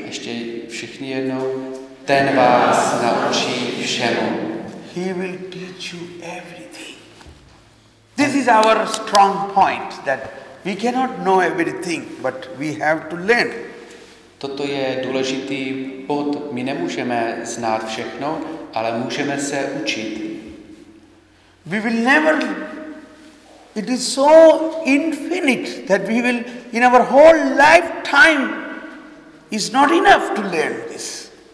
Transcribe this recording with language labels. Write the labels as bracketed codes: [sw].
[cs] Ještě všichni jednou. Ten vás naučí všemu. [en] He will teach you everything. This is our strong point, that we cannot know everything, but we have to learn. [cs] Toto je důležitý bod. My nemůžeme znát všechno, ale můžeme se učit. [en] We will never. It is so infinite that we will in our whole lifetime is not enough to learn this.